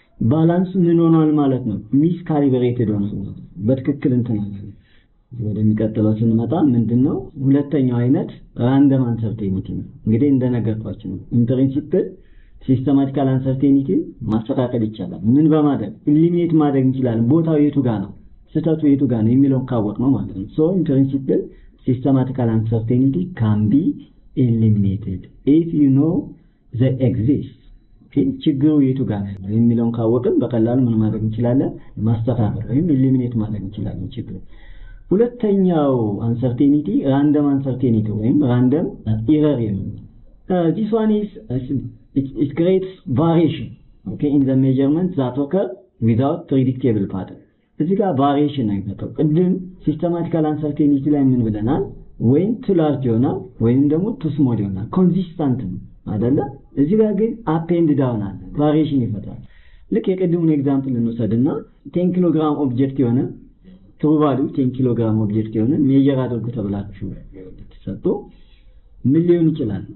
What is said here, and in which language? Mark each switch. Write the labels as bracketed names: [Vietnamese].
[Amharic] ባላንስ ምን ሆኗል ማለት ነው። ሚስ ካሊብሬትድ ሆኗል በትክክል እንተናል። ወደሚቀጥለው ስንመጣ ምንድነው ሁለተኛው አይነት ራንደም አንሰርቴኒቲ ነው። እንግዲህ እንደነገርኳችሁ ነው ኢንፕሪንሲፕል ሲስተማቲካል አንሰርቴኒቲ ማስተካከል ይቻላል። ምን በማድረግ ኢሊሚኔት ማድረግ እንችላለን? ቦታው የቱ ጋር ነው ስህተቱ የቱ ጋር ነው የሚለውን ካወቅ ነው ማለት ነው። [English] ሶ ኢንፕሪንሲፕል ሲስተማቲካል አንሰርቴኒቲ ካን ቢ ኢሊሚኔትድ ኢፍ ዩ ኖ ዘ ኤግዚስት [Amharic] ችግሩ የቱ ጋር ነው የሚለውን ካወቅን በቀላሉ ምን ማድረግ እንችላለን? ማስተካከል ወይም ኢሊሚኔት ማድረግ እንችላለን ችግሩ። ሁለተኛው አንሰርቴኒቲ ራንደም አንሰርቴኒቲ ወይም ራንደም ኢረር የሚለው [English] this one is it creates variation okay in the measurement that occur without predictable pattern. [Amharic] እዚህ ጋር ቫሪሽን ነው የሚመጣው። ቅድም ሲስተማቲካል አንሰርቴኒቲ ላይ ምን ብለናል? ወይም [English] ቱ ላርጅ [Amharic] ይሆናል ወይም ደግሞ [English] ቱ ስሞል [Amharic] ይሆናል ኮንሲስተንት ነው አይደለ? እዚህ ጋር ግን አፔንድ ዳውን አለ ቫሪሽን ይፈጥራል። ልክ የቅድሙን ኤግዛምፕል እንወሰድና 10 ኪሎ ግራም ኦብጀክት የሆነ ትሩ ቫሊዩ 10 ኪሎ ግራም ኦብጀክት የሆነ ሜጀር አድርጉ ተብላችሁ ተሰጥቶ ምን ሊሆን ይችላል?